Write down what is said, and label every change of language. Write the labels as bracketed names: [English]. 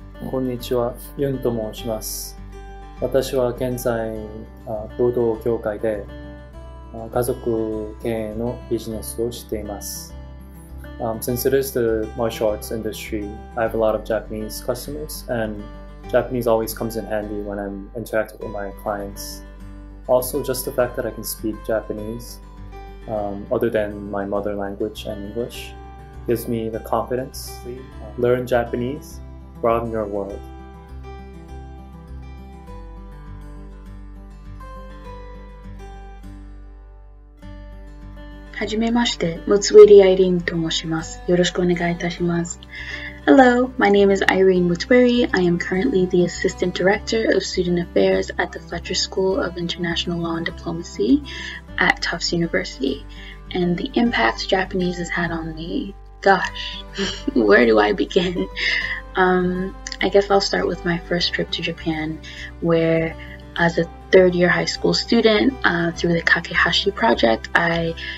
[Japanese] こんにちは、ユンと申します。私は現在労働協会で家族経営のビジネスをしています。 [English] Since it is the martial arts industry, I have a lot of Japanese customers, and Japanese always comes in handy when I'm interacting with my clients. Also, just the fact that I can speak Japanese, other than my mother language and English, gives me the confidence to learn Japanese, broaden your world. [Japanese] はじめまして、ムツウェリアイリンと申します。よろしくお願いいたします。 [English] Hello, my name is Irene Mutsweri. I am currently the Assistant Director of Student Affairs at the Fletcher School of International Law and Diplomacy at Tufts University. And the impact Japanese has had on me, gosh, where do I begin? I guess I'll start with my first trip to Japan, where as a third year high school student, through the Kakehashi Project, I...